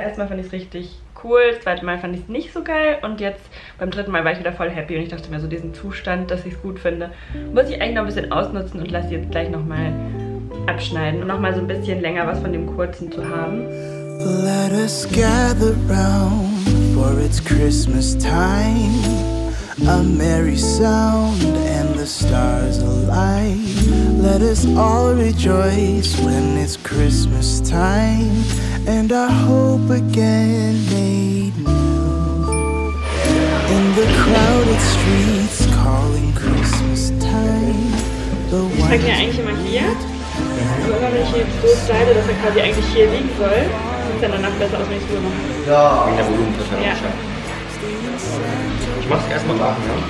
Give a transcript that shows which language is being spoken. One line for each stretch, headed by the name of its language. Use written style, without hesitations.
German: Erstmal fand ich es richtig cool, das zweite Mal fand ich es nicht so geil. Und jetzt beim dritten Mal war ich wieder voll happy und ich dachte mir so, diesen Zustand, dass ich es gut finde, muss ich eigentlich noch ein bisschen ausnutzen und lasse jetzt gleich nochmal abschneiden. Und nochmal so ein bisschen länger was von dem kurzen zu haben.
English: Let us gather round. For it's Christmas time, a merry sound and the stars align. Let us all rejoice when it's Christmas time and our hope again made new. In the crowded streets calling Christmas time, the one.
German: Ich sag ja eigentlich immer hier, aber immer wenn ich hier so schneide, dass er quasi eigentlich hier liegen soll, sieht es dann danach besser aus, wenn ich es so mache. Ja. Ich mach's erstmal nach, ja.